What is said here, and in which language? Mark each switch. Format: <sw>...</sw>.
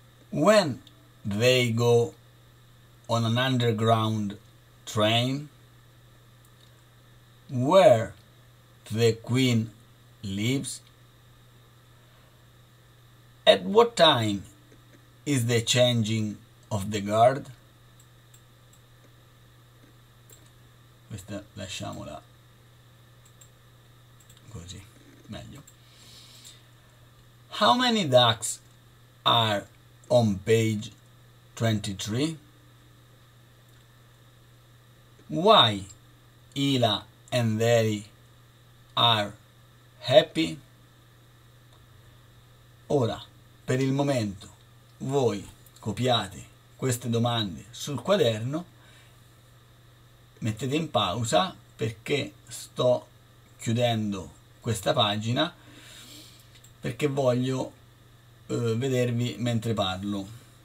<en>When they go on an underground train? Where the queen lives? At what time is the changing of the guard?</en> <it>Questa lasciamola così, meglio.</it> <en>How many ducks are on page 23? Why Hila and Eri are happy?</en> <it>Ora, per il momento, voi copiate queste domande sul quaderno, mettete in pausa perché sto chiudendo questa pagina perché voglio vedervi mentre parlo.</it>